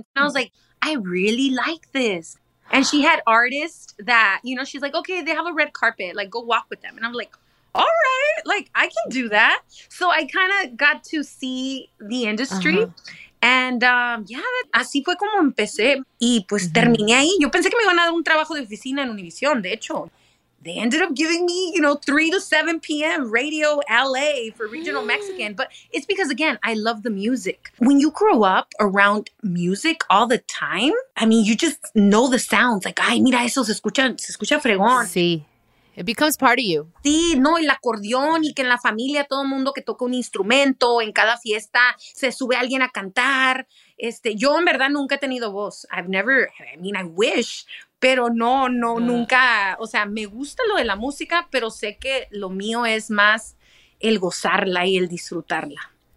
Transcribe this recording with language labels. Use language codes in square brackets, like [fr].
[en] And I was like, I really like this. And she had artists that, you know, she's like, okay, they have a red carpet, like go walk with them. And I'm like, all right, like I can do that. So I kind of got to see the industry. [es] And así fue como empecé. Y pues terminé ahí. Yo pensé que me iban a dar un trabajo de oficina en Univision. De hecho, [en] they ended up giving me, you know, 3 to 7 p.m. Radio LA for Regional Mexican. But it's because, again, I love the music. When you grow up around music all the time, I mean, you just know the sounds. [es] Like, ay, mira eso, se escucha fregón. [en] Sí. It becomes part of you. [es] Sí, no, el acordeón y que en la familia todo el mundo que toca un instrumento, en cada fiesta se sube alguien a cantar. Yo en verdad nunca he tenido voz. [en] I wish, [es] pero no, nunca. O sea, me gusta lo de la música, pero sé que lo mío es más el gozarla y el disfrutarla.